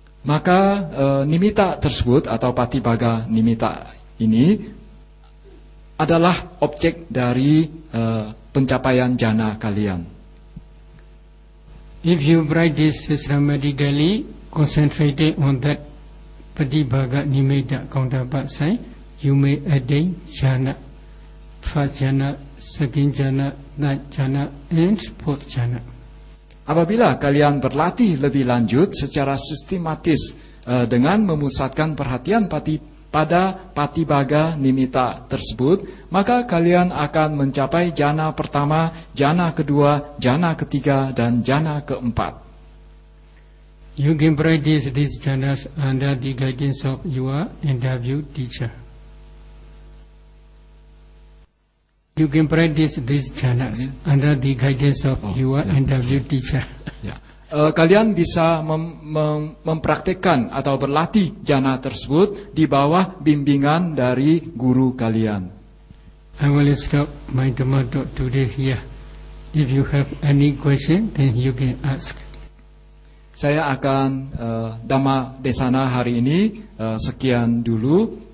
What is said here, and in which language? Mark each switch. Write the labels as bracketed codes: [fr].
[id] Maka nimitta tersebut atau padibhaga nimitta ini adalah objek dari pencapaian jhana kalian. [en] If you practice systematically, concentrated on that padibhaga nimitta counterpart sign, you may attain jhana, first jhana, second jhana, third jhana, and fourth jhana. [id] Apabila kalian berlatih lebih lanjut secara sistematis dengan memusatkan perhatian pada patibhaga nimitta tersebut, maka kalian akan mencapai jhana pertama, jhana kedua, jhana ketiga, dan jhana keempat. [en] You can practice these jhanas under the guidance of your interview teacher. You can practice these jhanas under the guidance of your interview teacher. Yeah. [id] Kalian bisa mempraktikkan atau berlatih jhana tersebut di bawah bimbingan dari guru kalian. [en] I will stop my dhamma talk today here. If you have any question, then you can ask. [id] Saya akan dhamma desana hari ini sekian dulu.